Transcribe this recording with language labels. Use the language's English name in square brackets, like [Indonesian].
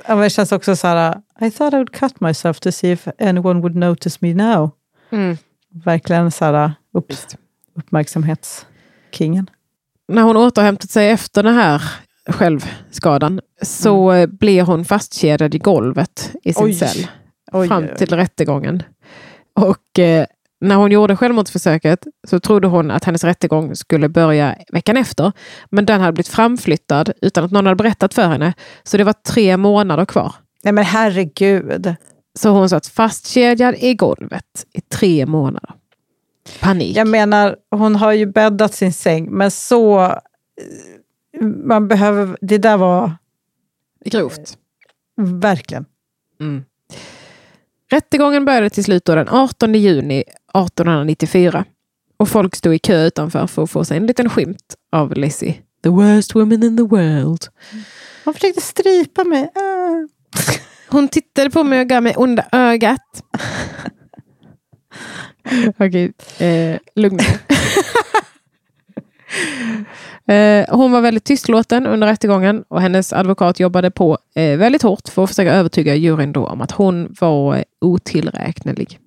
[Swedish] känns också så här, [English] I thought I would cut myself to see if anyone would notice me now. Mm. [Swedish] Verkligen så här, uppmärksamhetskingen. När hon återhämtat sig efter den här självskadan så blir hon fastkedjad i golvet i sin cell. Fram till rättegången. Och när hon gjorde självmordsförsöket så trodde hon att hennes rättegång skulle börja veckan efter. Men den hade blivit framflyttad utan att någon hade berättat för henne. Så det var 3 månader kvar. Nej, men herregud. Så hon satt fastkedjad i golvet i 3 månader. Panik. Jag menar, hon har ju bäddat sin säng. Men så... Man behöver... Det där var... Grovt. Verkligen. Mm. Rättegången började till slut den 18 juni 1894. Och folk stod i kö utanför för att få sig en liten skymt av Lizzie. [English] The worst woman in the world. [Swedish] Hon försökte strypa mig. Hon tittade på mig och gav mig onda ögat. Okej, lugn. Hon var väldigt tystlåten under rättegången och hennes advokat jobbade på väldigt hårt för att försöka övertyga juryn då om att hon var otillräknelig.